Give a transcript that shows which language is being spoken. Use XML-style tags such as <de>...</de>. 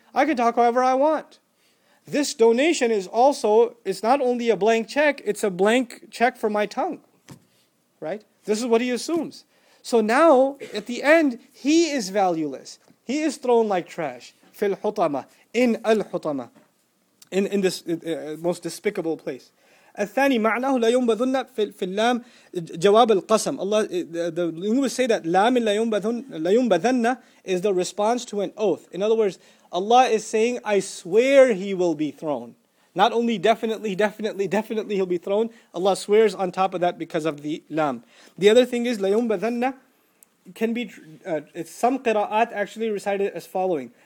<en>I can talk however I want. This donation is also, it's not only a blank check, it's a blank check for my tongue. Right? This is what he assumes. So now, at the end, he is valueless. He is thrown like trash.</en> <ar>Fil hutama,</ar> <en>in al hutama. In this most despicable place.</en> <ar>الثاني معناه لا ينبذن في اللام جواب القسم.</ar> <en>Allah, the linguists say that</en> <ar>لام لا ينبذن</ar> <en>is the response to an oath. In other words, Allah is saying, I swear he will be thrown. Not only definitely he'll be thrown. Allah swears on top of that because of the لام. The other thing is</en> <ar>لا ينبذن</ar> <en>can be, some qira'at actually recited as following.</en>